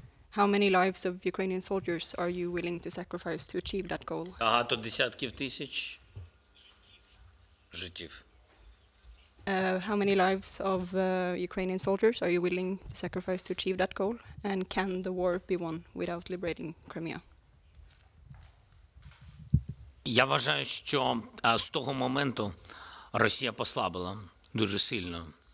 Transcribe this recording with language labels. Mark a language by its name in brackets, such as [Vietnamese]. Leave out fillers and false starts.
[English] How many lives of Ukrainian soldiers are you willing to sacrifice to achieve that goal? [Ukrainian] Багато десятків тисяч життів. [English] How many lives of Ukrainian soldiers are you willing to sacrifice to achieve that goal? And can the war be won without liberating Crimea? [Ukrainian] Я вважаю, що з того моменту Росія послабила дуже сильно.